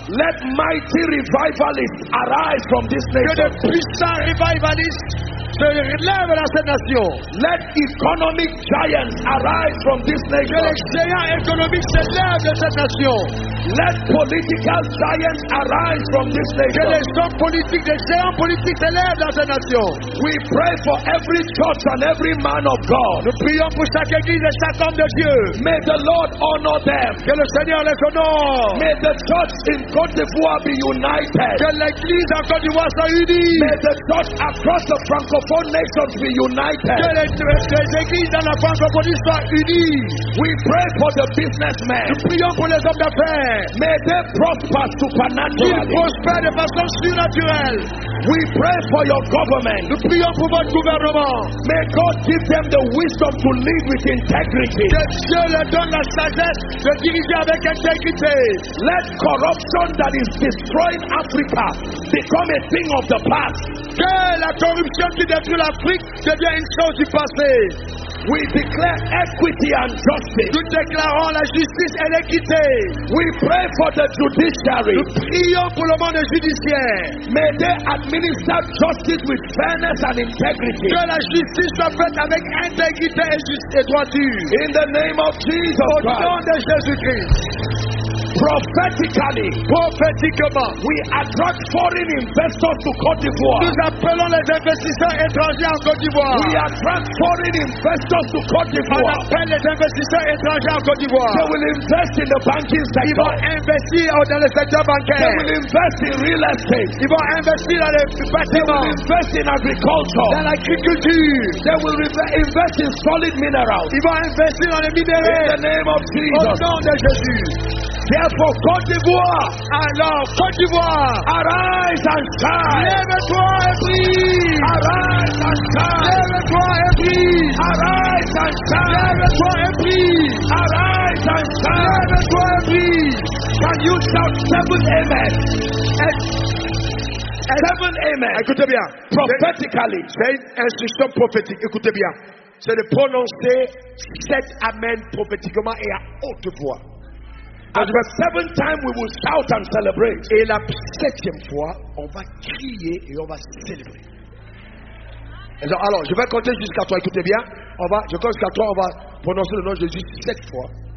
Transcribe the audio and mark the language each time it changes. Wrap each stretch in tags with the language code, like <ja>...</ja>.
<en>Let mighty revivalists arise from this nation.</en> <fr>Que de puissants revivalistes se relèvent dans cette nation.</fr> <en>Let economic giants arise from this nation.</en> <fr>Que les géants économiques se lèvent de cette nation.</fr> <en>Let political giants arise from this nation.</en> <fr>Que les hommes politiques, des géants politiques se lèvent dans cette nation.</fr> <en>We pray for every church and every man of God.</en> <fr>Nous prions pour chaque église et chaque homme de Dieu.</fr> <en>May the Lord honor them.</en> <fr>Que le Seigneur les honore.</fr> <en>May the church in Côte d'Ivoire be united.</en> <fr>Que l'église en Côte d'Ivoire soit unie.</fr> <en>May the church across the francophone nations be united.</en> <fr>Que les églises dans la francophonie soient unies.</fr> <en>We pray for the businessmen.</en> <fr>Nous prions pour les hommes d'affaires.</fr> <en>May they prosper supernaturally.</en> <fr>Qu'ils prospèrent de façon surnaturelle.</fr> <en>We pray for your government.</en> <fr>Nous prions pour votre gouvernement.</fr> <en>May God give them the wisdom to live with integrity.</en> <fr>Que Dieu leur donne la sagesse de diriger avec intégrité.</fr> <en>Let corruption that is destroying Africa become a thing of the past.</en> <fr>Que la corruption qui détruit l'Afrique devienne une chose du passé.</fr> <en>We declare equity and justice.</en> <fr>Nous déclarons la justice et l'équité.</fr> <en>We pray for the judiciary.</en> <fr>Nous prions pour le monde judiciaire.</fr> <en>May they administer justice with fairness and integrity.</en> <fr>Que la justice soit faite avec intégrité et juste et droiture.</fr> <en>In the name of Jesus</en> <fr>Christ. Au nom de Jésus-Christ.</fr> <en>Prophetically,</en> <fr>prophétiquement,</fr> <en>we attract foreign investors to Côte d'Ivoire.</en> <fr>Nous appelons les investisseurs étrangers en Côte d'Ivoire.</fr> <en>We attract foreign investors to Côte d'Ivoire.</en> <fr>On appelle les investisseurs étrangers en Côte d'Ivoire.</fr> <en>They will invest in the banking sector.</en> <fr>Ils vont investir dans le secteur bancaire.</fr> <en>They will invest in real estate.</en> <fr>Ils vont investir dans les bâtiments.</fr> <en>They will invest in agriculture.</en> <fr>Dans l'agriculture.</fr> <en>They will invest in solid minerals.</en> <fr>Ils vont investir dans les minéraux.</fr> <en>In the name of Jesus.</en> <fr>Au nom de Jésus.</fr> <en>Therefore, Côte d'Ivoire,</en> <fr>alors Côte d'Ivoire,</fr> <en>arise and shine.</en> <fr>Lève-toi et brille.</fr> <en>Arise and shine.</en> <fr>Lève-toi et brille.</fr> <en>Arise and shine.</en> <fr>Lève-toi et brille.</fr> <en>Arise and shine.</en> <fr>Lève-toi et brille.</fr> <en>Can you shout seven amen? Seven amen.</en> <fr>Écoutez bien.</fr> <en>Prophetically.</en> <fr>C'est une instruction prophétique. Écoutez bien. C'est de prononcer sept amen prophétiquement et à haute voix.</fr> <en>And the seventh time we will shout and celebrate.</en> <fr>Et la septième fois, on va crier et on va célébrer. Alors, je vais compter jusqu'à toi, écoutez bien. Je compte jusqu'à toi, on va prononcer le nom de Jésus sept fois.</fr>